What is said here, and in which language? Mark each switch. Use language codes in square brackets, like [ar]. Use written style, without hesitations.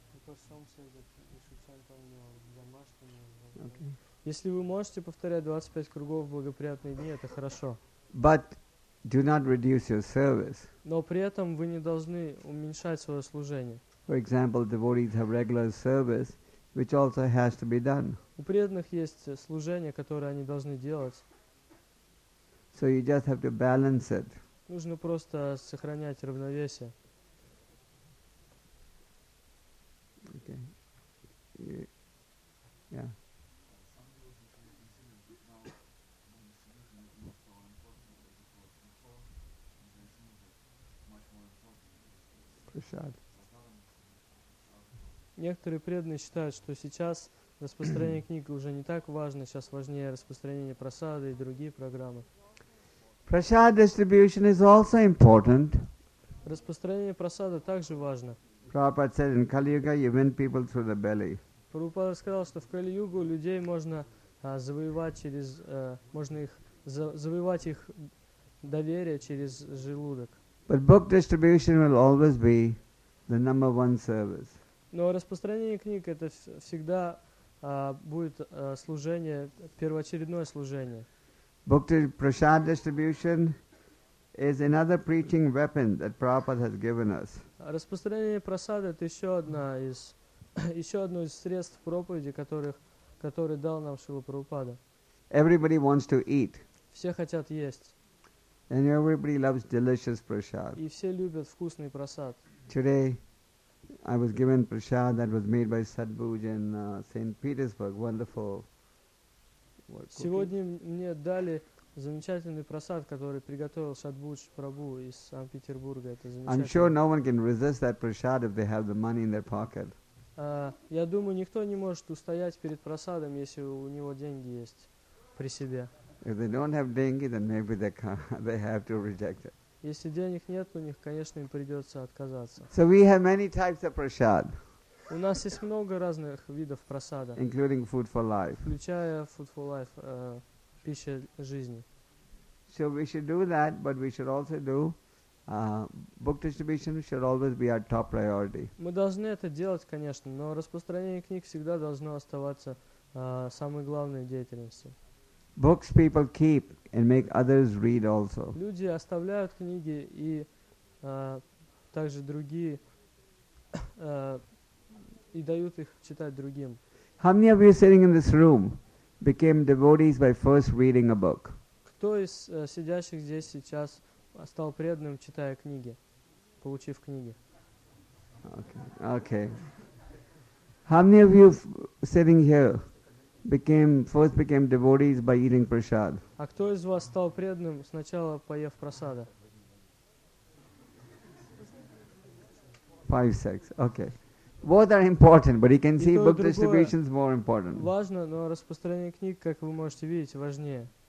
[en] Because some say that we should chant only on the mushroom. Okay. [ru] Если вы можете повторять 25 кругов в благоприятные дни, это хорошо. [en] But do not reduce your service. [ru] Но при этом вы не должны уменьшать свое служение. [en] For example, devotees have regular service, which also has to be done. [ru] У преданных есть служение, которое они должны делать. [en] So you just have to balance it. [ru] Нужно просто сохранять равновесие. Okay. Yeah. Некоторые преданные считают, что сейчас распространение книг уже не так важно, сейчас важнее распространение прасады и другие программы. [en] Prasad distribution is also important. [ru] Распространение прасады также важно. [en] Prabhupada said in Kali Yuga you win people through the belly. [ru] Прабхупада сказал, что в Кали-Югу людей можно завоевать через можно их завоевать их доверие через желудок. [en] But book distribution will always be the number one service. [ru] Но распространение книг это всегда будет служение, первоочередное служение. [en] Book prasad distribution is another preaching weapon that Prabhupada has given us. [ru] Распространение прасады это еще одна из еще одно из средств проповеди, который дал нам Шрила Прабхупада. [en] Everybody wants to eat. [ru] Все хотят есть. [en] And everybody loves delicious prasad. [ru] И все любят вкусный прасад. [en] Today, I was given prasad that was made by Sadhguruji in St. Petersburg. Wonderful. [ru] Сегодня мне дали замечательный прасад, который приготовил Садхгуруджи Прабху из Санкт-Петербурга. Это замечательно. [en] I'm sure no one can resist that prasad if they have the money in their pocket. [ru] Я думаю, никто не может устоять перед прасадом, если у него деньги есть при себе. [en] If they don't have dengue, then maybe they have to reject it. [ru] Если денег нет, у них, конечно, им придется отказаться. [en] So we have many types of prasad. [ru] У нас есть много разных видов прасада. [en] Including food for life. [ru] Включая food for life, пища жизни. [en] So we should do that, but we should also do book distribution should always be our top priority. [ru] Мы должны это делать, конечно, но распространение книг всегда должно оставаться самой главной деятельностью. [en] Books people keep and make others read also. [ru] Люди оставляют книги и также другие и дают их читать другим. [en] How many of you sitting in this room became devotees by first reading a book? [ru] Кто из сидящих здесь сейчас стал преданным, читая книги, получив книги? Okay. [en] How many of you sitting here became devotees by eating prasad? [ru] А кто из вас стал преданным сначала поев прасада? 5-6. Okay. [en] Both are important, but you can see book distribution is more important. [ru] Важно, но распространение книг, как вы можете видеть, важнее.